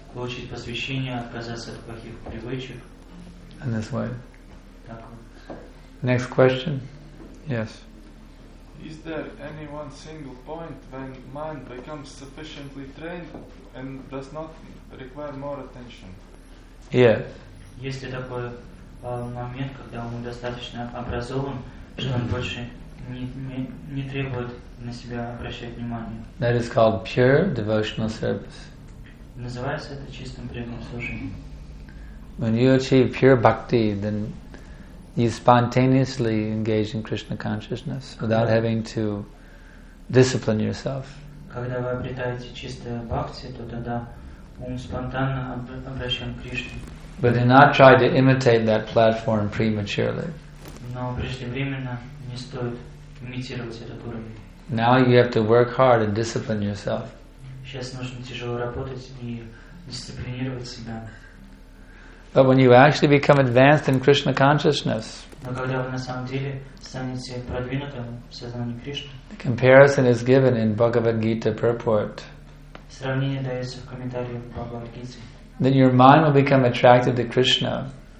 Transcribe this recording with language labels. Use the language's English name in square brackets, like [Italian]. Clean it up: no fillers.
[English] And this way. Next question. Yes. Is there any one single point when mind becomes sufficiently trained and does not require more attention? Yes. [Russian] Есть ли такой момент, когда он достаточно образован, что он больше не требует на себя обращать внимание? [English] That is called pure devotional service. [Russian] Называется это чистым преданным служением. [English] When you achieve pure bhakti, then you spontaneously engage in Krishna consciousness without having to discipline yourself. [Russian] Когда вы обретаете чистое бхакти, то тогда ум спонтанно обращен к Кришне. [English] But do not try to imitate that platform prematurely. [Russian] Но преждевременно не стоит имитировать этот уровень. [English] Now you have to work hard and discipline yourself. [Russian] Сейчас нужно тяжело работать и дисциплинировать себя. [English] But when you actually become advanced in Krishna consciousness, the comparison is given in Bhagavad Gita purport. Then your mind will become attracted to Krishna.